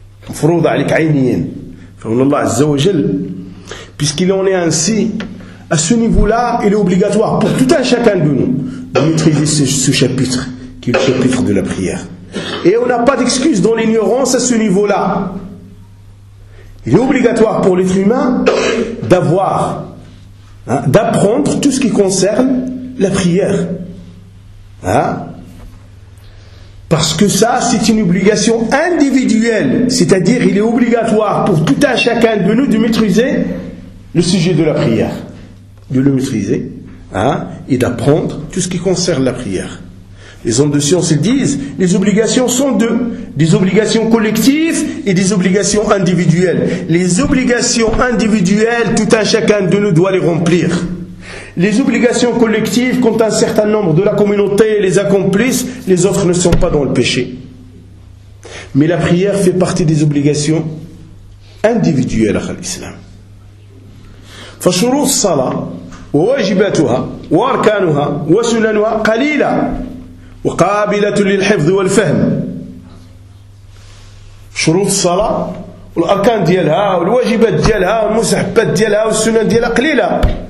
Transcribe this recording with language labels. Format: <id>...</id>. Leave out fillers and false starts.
<ar>مفروض عليك عينيين فقول الله عز وجل</ar> <fr>puisqu'il en est ainsi à ce niveau là il est obligatoire pour tout un chacun de nous de maîtriser ce chapitre qui est le chapitre de la prière et on n'a pas d'excuse dans l'ignorance à ce niveau là il est obligatoire pour l'être humain d'avoir hein, d'apprendre tout ce qui concerne la prière hein? Parce que ça, c'est une obligation individuelle. C'est-à-dire, il est obligatoire pour tout un chacun de nous de maîtriser le sujet de la prière. De le maîtriser, hein, et d'apprendre tout ce qui concerne la prière. Les hommes de science disent, les obligations sont deux. Des obligations collectives et des obligations individuelles. Les obligations individuelles, tout un chacun de nous doit les remplir. Les obligations collectives, quand un certain nombre de la communauté les accomplissent, les autres ne sont pas dans le péché. Mais la prière fait partie des obligations individuelles à l'islam.</fr> <ar>فشروط الصلاة وواجباتها واركانها وسننها قليلة وقابلة للحفظ والفهم. شروط الصلاة والأركان ديالها والواجبات ديالها والمستحبات ديالها والسنن ديالها قليلة.</ar>